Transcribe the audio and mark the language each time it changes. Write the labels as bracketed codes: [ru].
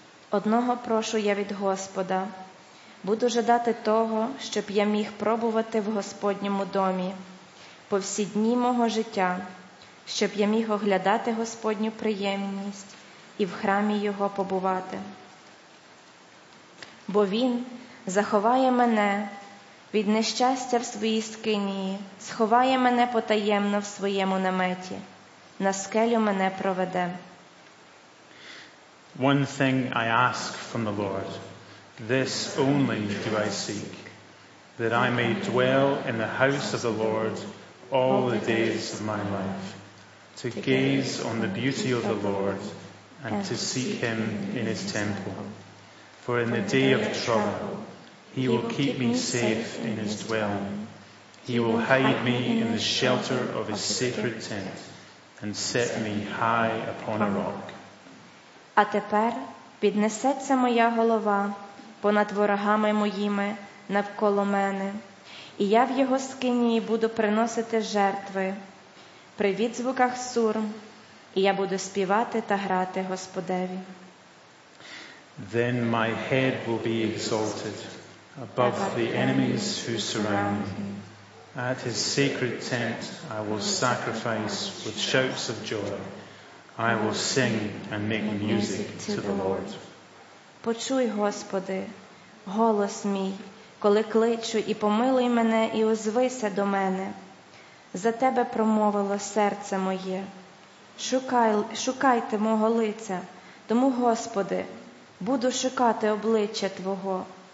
[uk] Одного прошу я від Господа. Буду жадати того, щоб я міг пробувати в Господньому домі по всі дні мого життя, щоб я міг оглядати Господню приємність і в храмі Його побувати. Бо Він Заховає мене від нещастя в своїй скині, сховає мене потаємно в своєму наметі, на скелю мене проведе. [en] One thing I ask from the Lord, this only do I seek, that I may dwell in the house of the Lord all the days of my life, to gaze on the beauty of the Lord and to seek Him in His temple. For in the day of trouble, He will keep me safe in His dwelling. He will hide me in the shelter of His sacred tent and set me high upon a rock. [uk] А тепер піднесеться моя голова понад ворогами моїми навколо мене, і я в його скині буду приносити жертви при відзвуках сурм, і я буду співати та грати Господеві. [en] Then my head will be exalted above the enemies who surround me. At his sacred tent I will sacrifice with shouts of joy. I will sing and make music to the Lord. [uk] Почуй, Господи, голос мій, коли кличу, і помилуй мене, і озвися до мене. За тебе промовило серце моє. Шукайте мого лиця. Тому, Господи, буду шукати обличчя Твого.